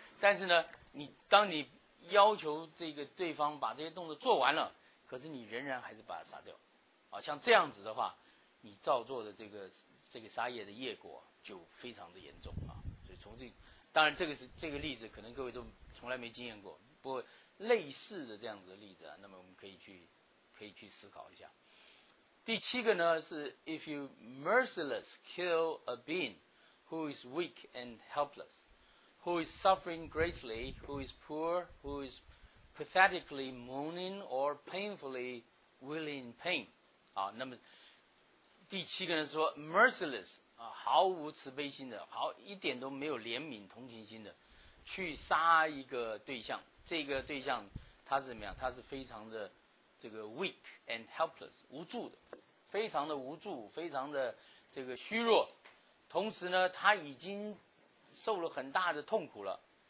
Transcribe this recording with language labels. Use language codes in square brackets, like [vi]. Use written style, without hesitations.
[zh] 但是呢，你当你要求这个对方把这些动作做完了，可是你仍然还是把他杀掉，啊，像这样子的话，你造作的这个杀业的业果就非常的严重啊。所以从这，当然这个例子可能各位都从来没经验过，不过类似的这样子的例子啊，那么我们可以去思考一下。第七个呢是 [en] If you merciless kill a being who is weak and helpless, who is suffering greatly, who is poor, who is pathetically moaning or painfully willing pain. [zh] 啊，那么第七个呢说 merciless, 啊，毫无慈悲心的，毫一点都没有怜悯同情心的去杀一个对象，这个对象他是怎么样，他是非常的这个 [en] weak and helpless， [zh] 无助的，非常的无助，非常的这个虚弱，同时呢他已经受了很大的痛苦了，